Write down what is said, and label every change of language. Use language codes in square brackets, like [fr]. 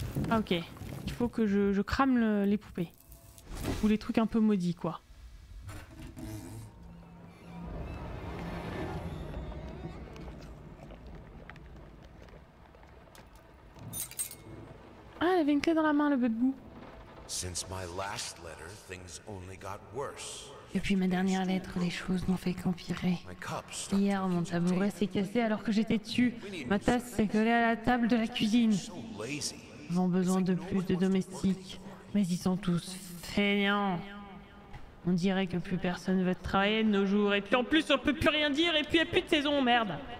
[fr] Ah ok, il faut que je crame les poupées. Ou les trucs un peu maudits quoi. Ah, elle avait une clé dans la main, le bébou. [en] Since my last letter, things only got worse. [fr] Depuis ma dernière lettre, les choses n'ont fait qu'empirer. Hier, mon tabouret s'est cassé alors que j'étais dessus. Ma tasse s'est collée à la table de la cuisine. Ils ont besoin de plus de domestiques, mais ils sont tous fainéants. On dirait que plus personne veut travailler de nos jours, et puis en plus on peut plus rien dire, et puis il n'y a plus de saison, merde.